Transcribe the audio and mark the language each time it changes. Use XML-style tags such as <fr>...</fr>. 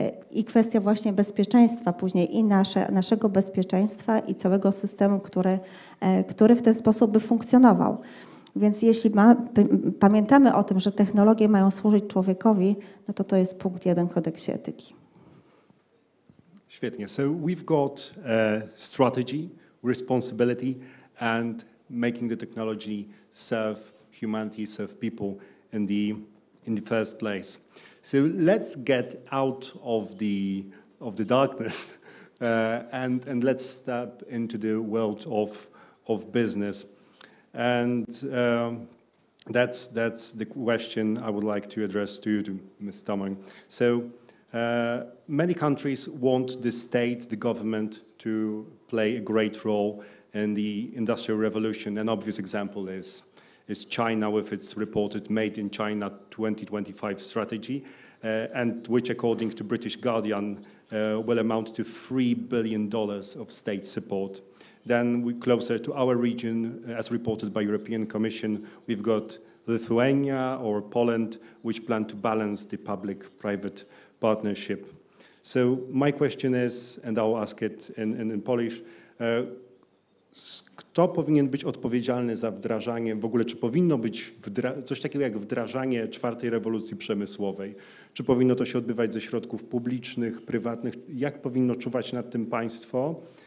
<pl>I kwestia właśnie bezpieczeństwa później i naszego bezpieczeństwa i całego systemu, który w ten sposób by funkcjonował. Więc jeśli pamiętamy o tym, że technologie mają służyć człowiekowi, no to to jest punkt jeden kodeksu etyki. Świetnie.</pl> <en>So we've got strategy, responsibility and making the technology serve humanity, serve people in the first place. So let's get out of the darkness and let's step into the world of business. And that's the question I would like to address to you, to Ms. Tamang. So many countries want the state, the government, to play a great role in the Industrial Revolution. An obvious example is China with its reported Made in China 2025 strategy, and which, according to British Guardian, will amount to $3 billion of state support. Then we closer to our region, as reported by European Commission, we've got Lithuania or Poland, which plan to balance the public-private partnership. So my question is, and I'll ask it in Polish,</en> <pl>kto powinien być odpowiedzialny za wdrażanie, w ogóle czy powinno być coś takiego jak wdrażanie czwartej rewolucji przemysłowej? Czy powinno to się odbywać ze środków publicznych, prywatnych? Jak powinno czuwać nad tym państwo?</pl>